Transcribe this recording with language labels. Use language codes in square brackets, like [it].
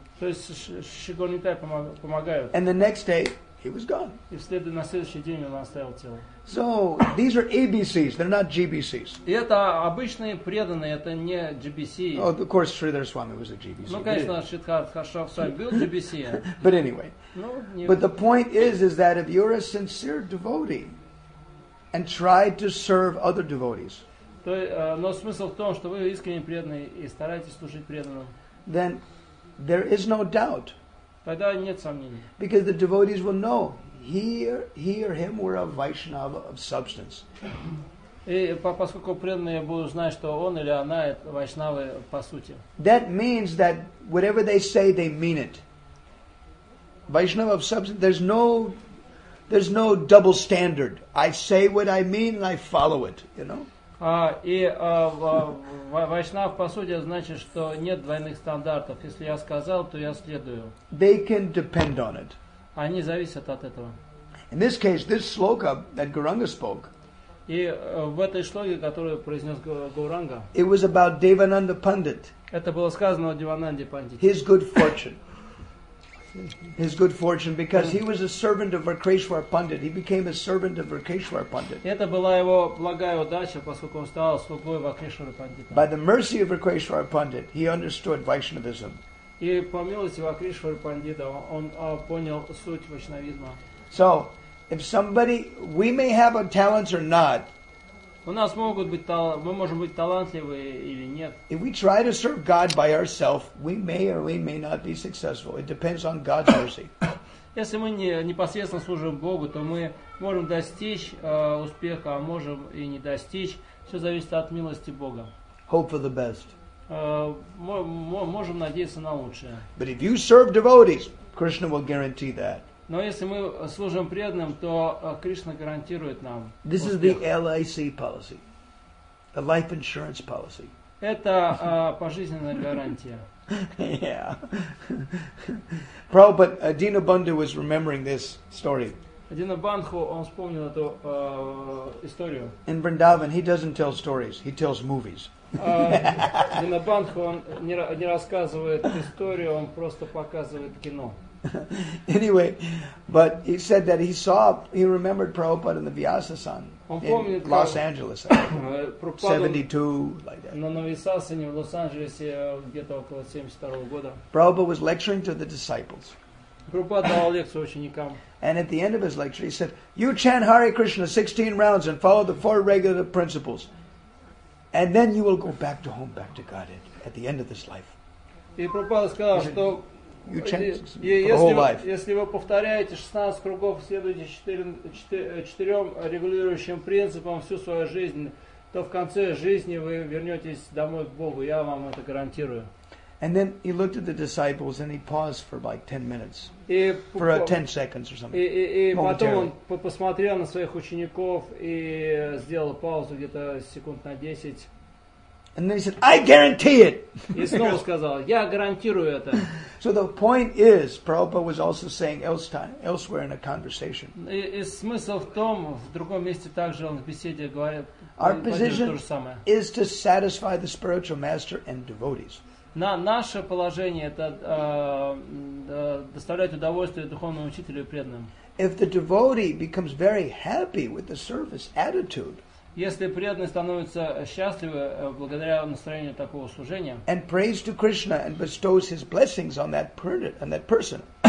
[ru] То есть Шигорнитай помогает. [en] And the next day, he was gone. [ru] И вслед на следующий день он оставил тело. [en] So these are ABCs, they're not GBCs. [ru] Это обычные преданные, это не GBC. [en] Oh, of course, Sridhar Swami was a GBC. [ru] Ну, конечно, Шридхар Свами был GBC. [en] But anyway. But the point is that if you're a sincere devotee and try to serve other devotees. [ru] Но смысл в том, что вы искренне преданные и стараетесь служить преданным. [en] Then there is no doubt. [ru] Тогда нет сомнений. [en] Because the devotees will know. He or him were a Vaishnava of substance. [ru] И поскольку преданные будут знать, что он или она это вайшнавы по сути. [en] That means that whatever they say, they mean it. Vaishnava of substance. There's no double standard. I say what I mean, and I follow it. You know. [ru] Вайшнав по сути значит, что нет двойных стандартов. Если я сказал, то я следую. [en] They can depend on it. [ru] Они зависят от этого. [en] In this case, this sloka that Gauranga spoke. [ru] И в этой шлоке, которую произнес Гауранга. [en] It was about Devananda Pandit. [ru] Это было сказано о Девананде Пандите. [en] His good fortune. His good fortune because he was a servant of Vrakeshwar Pandit. He became a servant of Vrakeshwar Pandit. [ru] Это была его благая удача, поскольку он стал слугой Вакрешвара Пандита. [en] By the mercy of Vrakeshwar Pandit, he understood Vaishnavism. [ru] И по милости Вакришвара Пандита он понял суть вайшнавизма. [en] So, if somebody, we may have a talent or not. [ru] У нас могут быть мы можем быть талантливы или нет. [en] If we try to serve God by ourselves, we may or we may not be successful. It depends on God's mercy. [ru] Если мы непосредственно служим Богу, то мы можем достичь успеха, а можем и не достичь. Все зависит от милости Бога. [en] Hope for the best. [ru] Можем надеяться на лучшее. [en] But if you serve devotees, Krishna will guarantee that. [ru] Но если мы служим преданным, то Кришна гарантирует нам. [en] This [ru] успех. [en] Is the LIC policy, the life insurance policy. [ru] Это пожизненная гарантия. [en] Yeah. Prabhupada, Dina Bandhu was remembering this story. [ru] Dina Bandhu, он вспомнил эту историю. [en] In Vrindavan, he doesn't tell stories; he tells movies. [ru] Dina Bandhu, он не рассказывает историю, он просто показывает кино. [en] Anyway, but he said that he remembered Prabhupada in the Vyasasan in Los Angeles, 72, like that. Prabhupada was lecturing to the disciples. And at the end of his lecture, he said, you chant Hare Krishna 16 rounds and follow the four regular principles, and then you will go back to home, back to Godhead, at the end of this life. [ru] И Прабхупада сказал, что [en] you chant the whole life. [ru] Если вы повторяете 16 кругов, следуйте 4 регулирующим принципам всю свою жизнь, то в конце жизни вы вернетесь домой к Богу. Я вам это гарантирую. [en] And then he looked at the disciples and he paused for like 10 minutes. For 10 seconds or something. [ru] И потом он посмотрел на своих учеников и сделал паузу где-то секунд на 10. [en] And then he said, I guarantee it. [ru] И снова сказал, я гарантирую это. [en] So the point is, Prabhupada was also saying elsewhere in a conversation. [ru] И смысл в том, в другом месте также он в беседе говорит, [en] our position is to satisfy the spiritual master and devotees. [ru] Наше положение это доставлять удовольствие духовному учителю и преданным. [en] If the devotee becomes very happy with the service attitude, [ru] если преданный становится счастливым благодаря настроению такого служения, [en] and prays to Krishna and bestows his blessings on that person,